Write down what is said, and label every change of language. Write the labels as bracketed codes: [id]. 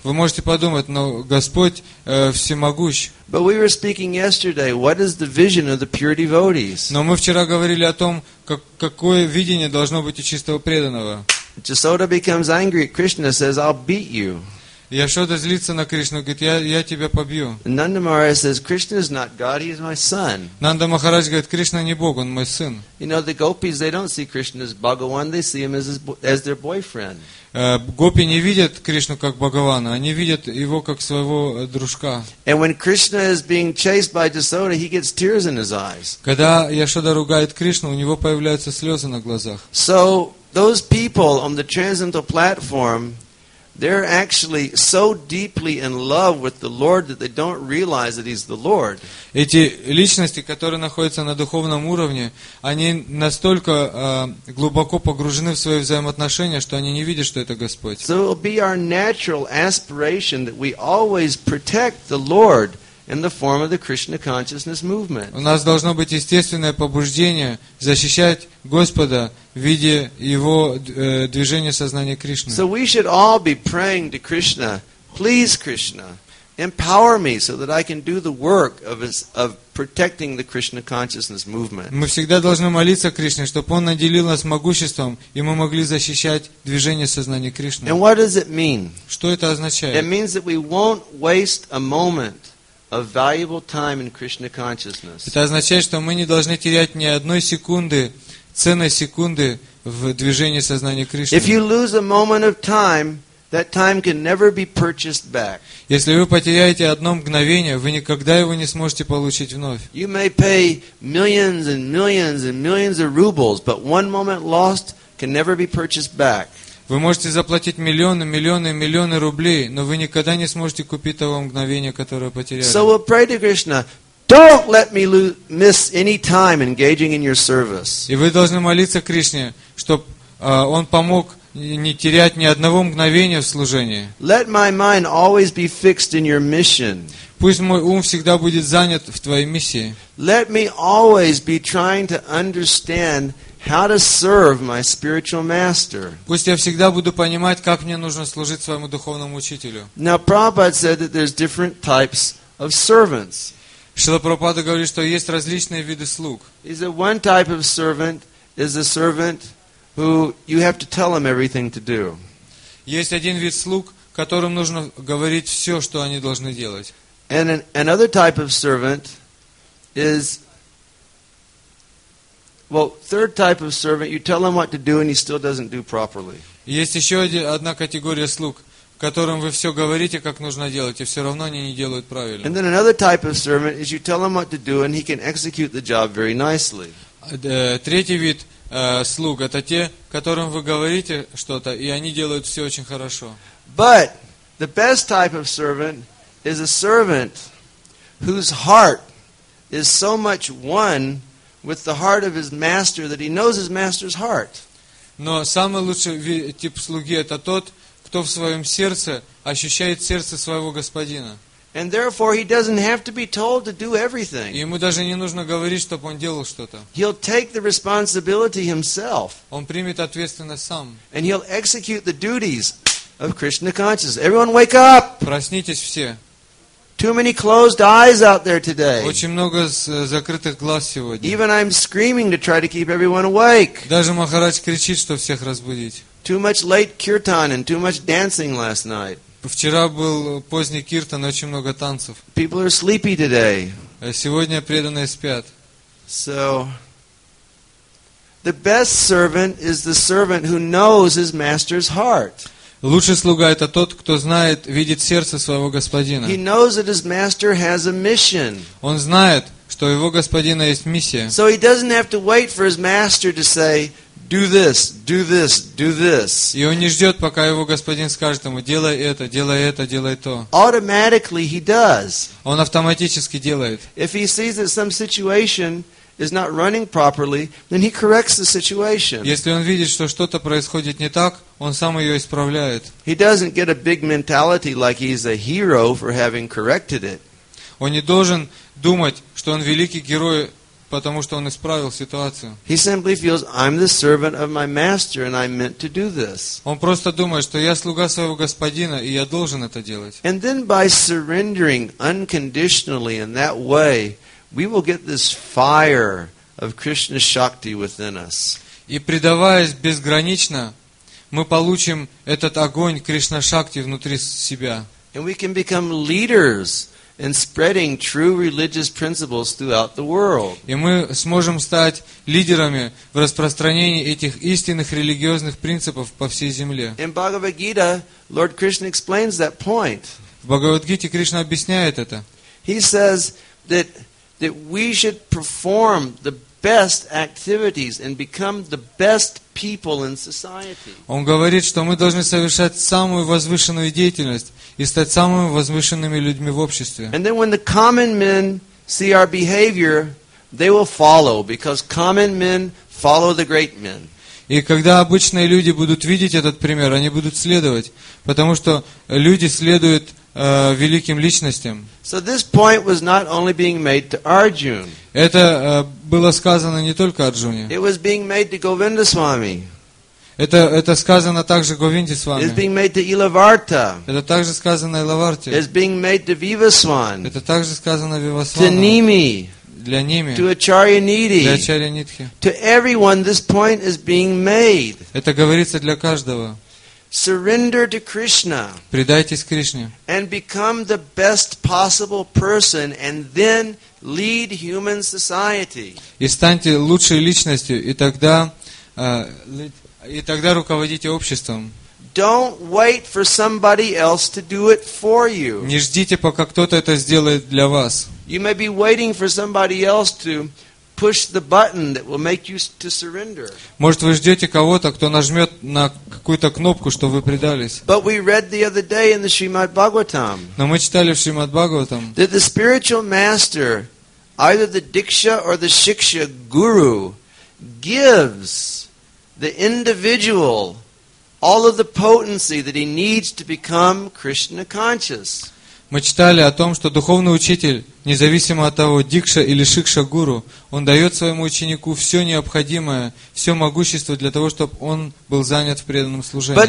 [ru] Вы можете подумать, но Господь всемогущ. [en] But we were speaking yesterday, what is the vision of the pure devotees? [ru] Но мы вчера говорили о том, какое видение должно быть у чистого преданного. [en] Yashoda becomes angry at Krishna, says, I'll beat you. [ru] Яшода злится на Кришну, говорит, я тебя побью. [en] Nanda Maharaj says, Krishna is not God, he is my son. [ru] Нанда Махарадж говорит, Кришна не Бог, он мой сын. [en] You know, the gopis, they don't see Krishna as Bhagavan, they see him as their boyfriend. [ru] Гопи не видят Кришну как Бхагавана, они видят его как своего дружка. [en] And when Krishna is being chased by Yashoda, he gets tears in his eyes. [ru] Когда Яшода ругает Кришну, у него появляются слезы на глазах. [en] So, those people on the transcendental platform, they're actually so deeply in love with the Lord that they don't realize that He's the Lord. [ru] Эти личности, которые находятся на духовном уровне, они настолько глубоко погружены в свои взаимоотношения, что они не видят, что это Господь. [en] So it'll be our natural aspiration that we always protect the Lord in the form of the Krishna consciousness movement. [ru] У нас должно быть естественное побуждение защищать Господа в виде его движения сознания Кришны. [en] So we should all be praying to Krishna, please Krishna, empower me so that I can do the work of protecting the Krishna consciousness movement. [ru] Мы всегда должны молиться Кришне, чтобы он наделил нас могуществом, и мы могли защищать движение сознания Кришны. [en] And what does it mean? [ru] Что это означает? [en] It means that we won't waste a moment of valuable time in Krishna consciousness. [ru] Это означает, что мы не должны терять ни одной секунды, ценной секунды в движении сознания Кришны. [en] If you lose a moment of time, that time can never be purchased back. [ru] Если вы потеряете одно мгновение, вы никогда его не сможете получить вновь. [en] You may pay millions and millions and millions of rubles, but one moment lost can never be purchased back. [ru] Вы можете заплатить миллионы, миллионы, миллионы рублей, но вы никогда не сможете купить того мгновения, которое потеряли. [en] So we'll pray to Krishna, don't let me miss any time engaging in your service. [ru] И вы должны молиться Кришне, чтобы он помог не терять ни одного мгновения в служении. [en] Let my mind always be fixed in your mission. [ru] Пусть мой ум всегда будет занят в твоей миссии. [en] Let me always be trying to understand how to serve my spiritual master. [ru] Пусть я всегда буду понимать, как мне нужно служить своему духовному учителю. [en] Now, Prabhupada said that there's different types of servants. [ru] Шрила Прабхупада говорит, что есть различные виды слуг. [en] He said one type of servant is a servant who you have to tell him everything to do. [ru] Есть один вид слуг, которым нужно говорить все, что они должны делать. [en] And another type of servant is, well, third type of servant, you tell him what to do and he still doesn't do properly. [ru] Есть еще одна категория слуг, которым вы все говорите, как нужно делать, и все равно они не делают правильно. [en] And then another type of servant is you tell him what to do and he can execute the job very nicely. [ru] Третий вид слуг это те, которым вы говорите что-то, и они делают все очень хорошо. [en] But the best type of servant is a servant whose heart is so much one with the heart of his master that he knows his master's heart. [ru] Но самый лучший тип слуги это тот, кто в своем сердце ощущает сердце своего господина. [en] And therefore he doesn't have to be told to do everything. [ru] Ему даже не нужно говорить, чтобы он делал что-то. [en] He'll take the responsibility himself. [ru] Он примет ответственность сам. [en] And he'll execute the duties of Krishna consciousness. Everyone wake up! [ru] Проснитесь все. [en] Too many closed eyes out there today. [ru] Очень много закрытых глаз сегодня. [en] Even I'm screaming to try to keep everyone awake. [ru] Даже Махарадж кричит, чтобы всех разбудить. [en] Too much late kirtan and too much dancing last night. [ru] Вчера был поздний киртан, очень много танцев. [en] People are sleepy today. [ru] Сегодня преданные спят. [en] So, the best servant is the servant who knows his master's heart. [ru] Лучший слуга это тот, кто знает, видит сердце своего господина. [en] He knows that his master has a mission. [ru] Он знает, что у его господина есть миссия. [en] So he doesn't have to wait for his master to say, do this, do this, do this. [ru] И он не ждет, пока его господин скажет ему, делай это, делай это, делай то. [en] Automatically he does. [ru] Он автоматически делает. [en] If he sees that some situation is not running properly, then he corrects the situation. [ru] Если он видит, что что-то происходит не так, он сам ее исправляет. [en] He doesn't get a big mentality like he's a hero for having corrected it. [ru] Он не должен думать, что он великий герой, потому что он исправил ситуацию. [en] He simply feels I'm the servant of my master and I'm meant to do this. [ru] Он просто думает, что я слуга своего господина и я должен это делать. [en] And then by surrendering unconditionally in that way, we will get this fire of Krishna Shakti within us. [ru] И предаваясь безгранично, мы получим этот огонь Кришна Шакти внутри себя. [en] And we can become leaders in spreading true religious principles throughout the world. [ru] И мы сможем стать лидерами в распространении этих истинных религиозных принципов по всей земле. [en] In Bhagavad Gita, Lord Krishna explains that point. [ru] В Бхагавад-гите Кришна объясняет это. [en] He says that we should perform the best activities and become the best people in society. [ru] Он говорит, что мы должны совершать самую возвышенную деятельность и стать самыми возвышенными людьми в обществе. [en] And then when the common men see our behavior, they will follow because common men follow the great men. [ru] И когда обычные люди будут видеть этот пример, они будут следовать, потому что люди следуют великим личностям. [en] So this point was not only being made to Arjuna. [ru] Это было сказано не только Арджуне. [en] It was being made to Govinda Swami. [ru] Это сказано также Говинде Свами. [en] It's being made to Иловарта. [ru] Это также сказано Иловарте. [en] It's being made to Вивасван. [ru] Это также сказано Вивасвану. [en] To Nimi. [ru] Для Ними. [en] To Acharya Nidhi. [ru] Для Ачарья Нидхи. [en] To everyone, this point is being made. [ru] Это говорится для каждого. [en] Surrender to Krishna. [ru] Предайтесь Кришне. [en] And become the best possible person, and then lead human society. [ru] И станьте лучшей личностью, и тогда руководите обществом. [en] Don't wait for somebody else to do it for you. [ru] Не ждите, пока кто-то это сделает для вас. [en] You may be waiting for somebody else to push the button that will make you to surrender. [ru] Может вы ждете кого-то, кто нажмет на какую-то кнопку, чтобы вы предались. [en] But we read the other day in the Srimad Bhagavatam. [ru] Но мы читали в Шримад Бхагаватам. [en] That the spiritual master, either the diksha or the shiksha guru, gives the individual all of the potency that he needs to become Krishna conscious. [ru] Мы читали о том, что духовный учитель, независимо от того, дикша или шикша гуру, он дает своему ученику все необходимое, все могущество для того, чтобы он был занят в преданном служении.